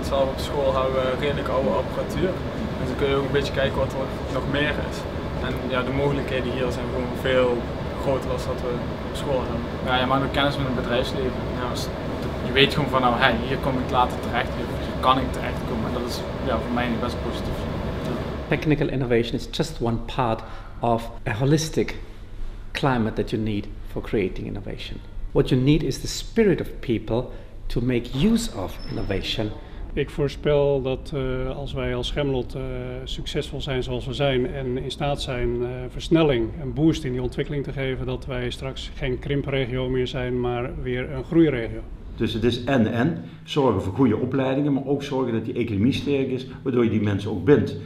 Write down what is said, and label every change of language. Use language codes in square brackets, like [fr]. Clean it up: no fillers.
[nl] Want zelf op school hebben we redelijk oude apparatuur. Dus dan kun je ook een beetje kijken wat er nog meer is. En de mogelijkheden hier zijn gewoon veel groter dan wat we op school hebben. Ja, je maakt ook kennis met het bedrijfsleven. Ja, dus je weet gewoon van, hier kom ik later terecht, hier kan ik terechtkomen. En dat is voor mij best positief. [en] Technical innovation is just one part of a holistic climate that you need for creating innovation. What you need is the spirit of people to make use of innovation. [nl] Ik voorspel dat als wij als Gemelot succesvol zijn zoals we zijn en in staat zijn versnelling en boost in die ontwikkeling te geven, dat wij straks geen krimpregio meer zijn, maar weer een groeiregio. Dus het is en-en, zorgen voor goede opleidingen, maar ook zorgen dat die economie sterk is, waardoor je die mensen ook bindt.